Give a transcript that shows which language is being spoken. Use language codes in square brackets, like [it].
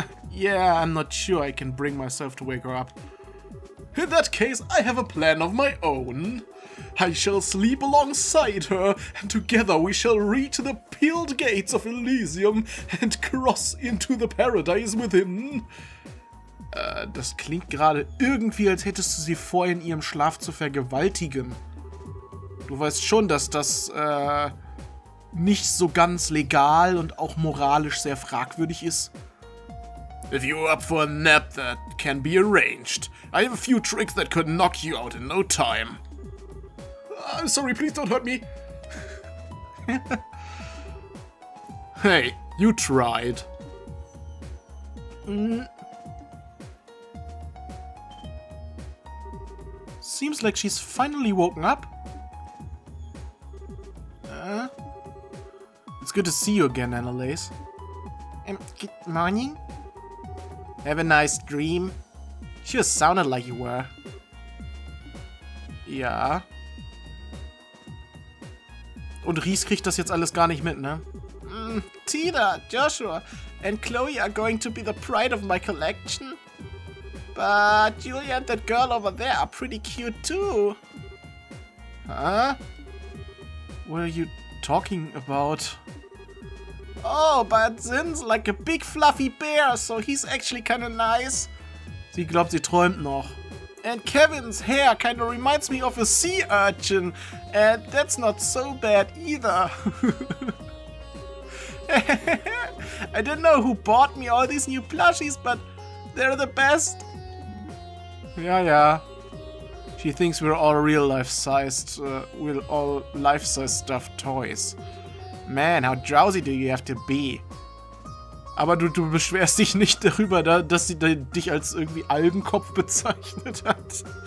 [en] Yeah, I'm not sure I can bring myself to wake her up. In that case, I have a plan of my own. I shall sleep alongside her, and together we shall reach the peeled gates of Elysium and cross into the paradise within. [de] Das klingt gerade irgendwie, als hättest du sie vor, in ihrem Schlaf zu vergewaltigen. Du weißt schon, dass das nicht so ganz legal und auch moralisch sehr fragwürdig ist. [en] If you're up for a nap, that can be arranged. I have a few tricks that could knock you out in no time. Sorry, please don't hurt me. Hey, you tried. Seems like she's finally woken up. It's good to see you again, Annelies. Good morning. Have a nice dream. She just sounded like you were. Yeah. [de] Und Reese kriegt das jetzt alles gar nicht mit, ne? [en] Tina, Joshua and Chloe are going to be the pride of my collection. But Julia and that girl over there are pretty cute too. Huh? What are you talking about? Oh, but Zin's like a big fluffy bear, so he's actually kind of nice. [de] Sie glaubt, sie träumt noch. [en] And Kevin's hair kind of reminds me of a sea urchin. And that's not so bad either. I didn't know who bought me all these new plushies, but they're the best. Yeah, yeah. She thinks we're all real life-sized, we're all life-sized stuffed toys. Man, how drowsy do you have to be? [de] Aber du beschwerst dich nicht darüber, dass sie dich als irgendwie Algenkopf bezeichnet hat.